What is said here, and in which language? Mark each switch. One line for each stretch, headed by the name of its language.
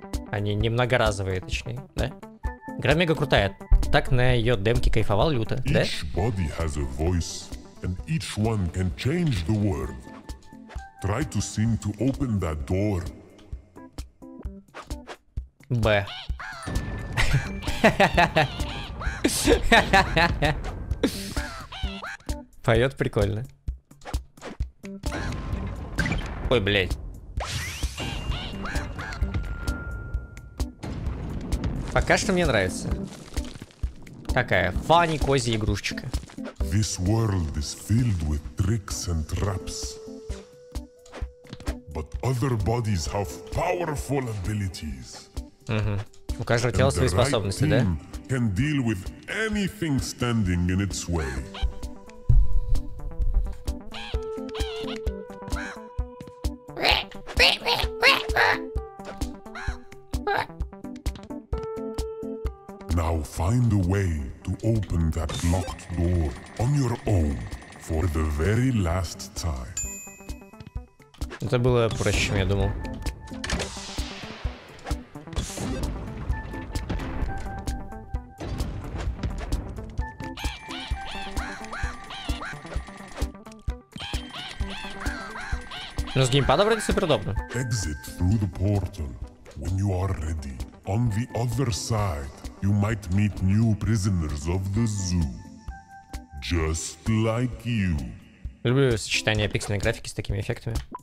Russian: Они не многоразовые, точнее, да? Игра мега крутая. Так на ее демке кайфовал люто, да?
English: Each body has a voice, and each one can change the world. Try to sing to open that door. Б.
Russian: Поет прикольно. Ой, блядь. Пока что мне нравится. Такая фанни козья игрушечка.
English: This world is filled with tricks and traps. But other bodies have powerful abilities.
Russian: У каждого тела свои способности, да?
English: Can deal with anything standing in its way. Find a way to open that locked door on your own for the very last time.
Russian: Это было проще, чем я думал. Но с геймпада вроде супер удобно.
English: Exit through the portal when you are ready. On the other side. You might meet new prisoners of the zoo, just like you.
Russian: Люблю сочетание пиксельной графики с такими эффектами.